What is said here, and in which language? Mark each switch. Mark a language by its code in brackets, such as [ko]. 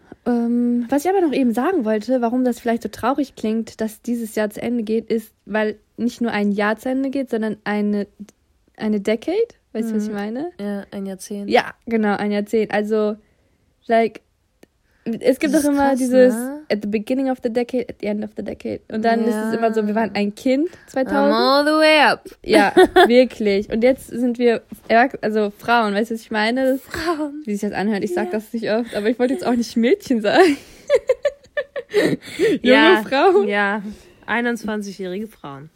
[de] Was ich aber noch eben sagen wollte, warum das vielleicht so traurig klingt, dass dieses Jahr zu Ende geht, ist, weil nicht nur ein Jahr zu Ende geht, sondern eine Decade, weißt du, was ich meine? Ja, ein Jahrzehnt. Ja, genau, ein Jahrzehnt. Also, es gibt doch immer krass, dieses, ne? [en] At the beginning of the decade, at the end of the decade. [de] Und dann ist es immer so, wir waren ein Kind 2000. [en] I'm all the way up. [de] Ja, wirklich. Und jetzt sind wir, also Frauen, weißt du, was ich meine? Frauen. Wie sich das anhört, ich sag das nicht oft, aber ich wollte jetzt auch nicht Mädchen sagen. Junge Frauen. Ja, 21-jährige Frauen.